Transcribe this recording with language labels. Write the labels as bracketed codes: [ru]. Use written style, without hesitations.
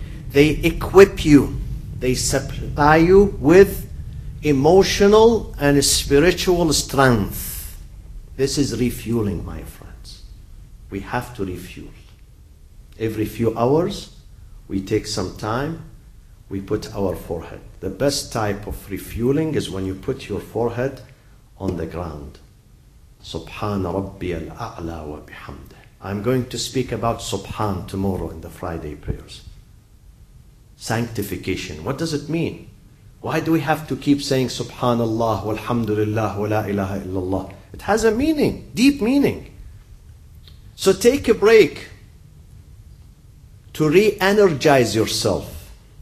[en] They equip you. They supply you with emotional and spiritual strength. This is refueling, my friends. We have to refuel. Every few hours, we take some time, we put our forehead. The best type of refueling is when you put your forehead on the ground. [ar] سبحان ربي الأعلى وبحمده. [en] I'm going to speak about Subhan tomorrow in the Friday prayers. Sanctification. What does it mean? Why do we have to keep saying Subhanallah, walhamdulillah, wa la ilaha illallah? It has a meaning, deep meaning. So take a break to re-energize yourself.